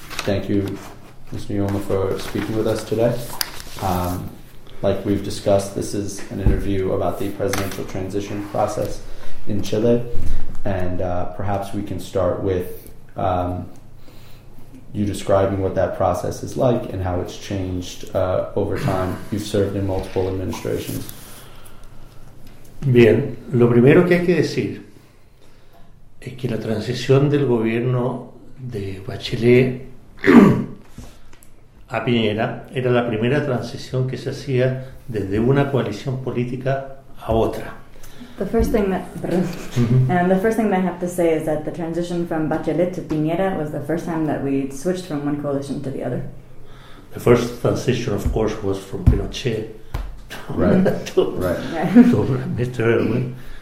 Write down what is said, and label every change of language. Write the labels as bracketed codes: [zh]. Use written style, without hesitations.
[en] Thank you, Mr. Yoma, for speaking with us today. Like we've discussed, this is an interview about the presidential transition process in Chile, and perhaps we can start with you describing what that process is like and how it's changed over time. You've served in multiple administrations. [es] Bien, lo primero que hay que decir es que la transición del gobierno de Bachelet a Piñera era la primera transición que se hacía desde una coalición política a otra. [en] The first thing I have to say is that the transition from Bachelet to Piñera was the first time that we switched from one coalition to the other. The first transition, of course, was from Pinochet to Mr. Erwin.